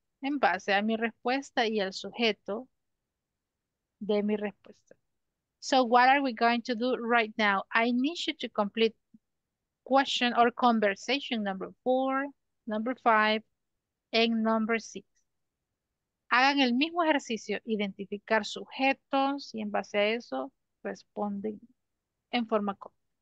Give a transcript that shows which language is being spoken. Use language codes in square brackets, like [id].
[es] En base a mi respuesta y el sujeto de mi respuesta. [en] So what are we going to do right now? I need you to complete question or conversation number 4, number 5, and number 6. [es] Hagan el mismo ejercicio, identificar sujetos y en base a eso responden en forma correcta.